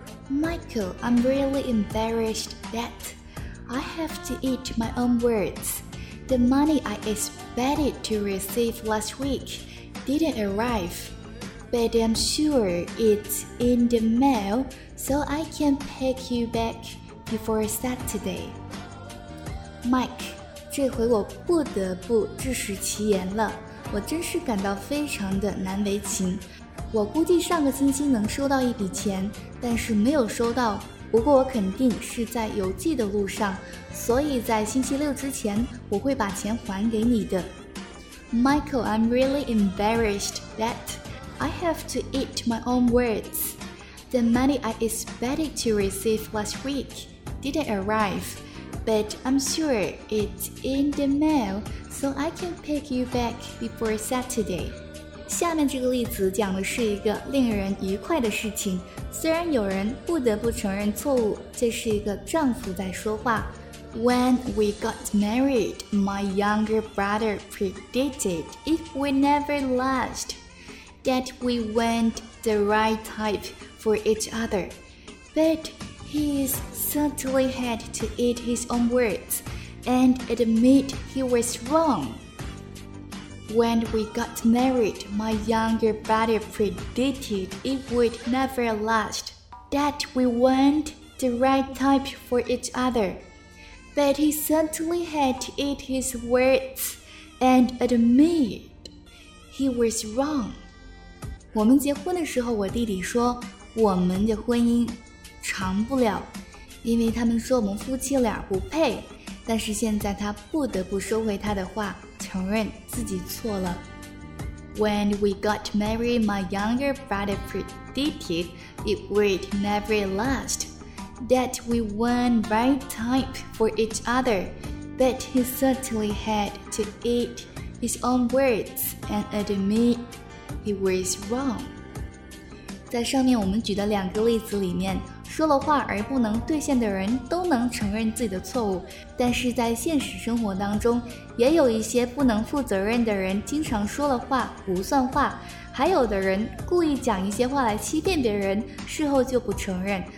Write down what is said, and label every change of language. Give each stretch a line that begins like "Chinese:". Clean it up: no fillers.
English: Michael, I'm really embarrassed that I have to eat my own words. The money I expected to receive last weekDidn't arrive, but I'm sure it's in the mail, so I can pick you back before Saturday.
Chinese: Mike, 这回我不得不自食其言了，我真是感到非常的难为情。我估计上个星期能收到一笔钱，但是没有收到。不过我肯定是在邮寄的路上，所以在星期六之前，我会把钱还给你的。
English: Michael, I'm really embarrassed that I have to eat my own words. The money I expected to receive last week didn't arrive, but I'm sure it's in the mail so I can pick you back before Saturday.
Chinese: 下面这个例子讲的是一个令人愉快的事情，虽然有人不得不承认错误，这是一个丈夫在说话。
English: When we got married, my younger brother predicted if we never last, that we weren't the right type for each other. But he certainly had to eat his own words and admit he was wrong. When we got married, my younger brother predicted it would never last, that we weren't the right type for each other. But he certainly had to eat his words and admit he was wrong.
Chinese: 我们结婚的时候，我弟弟说我们的婚姻长不了，因为他们说我们夫妻俩不配。但是现在他不得不收回他的话，承认自己错了。
English: When we got married, my younger brother predicted it would never last. That we weren't right type for each other, but he certainly had to eat his own words and admit he was wrong.
Chinese: 在上面我们举的两个例子里面，说了话而不能兑现的人都能承认自己的错误，但是在现实生活当中，也有一些不能负责任的人经常说了话不算话，还有的人故意讲一些话来欺骗别人，事后就不承认。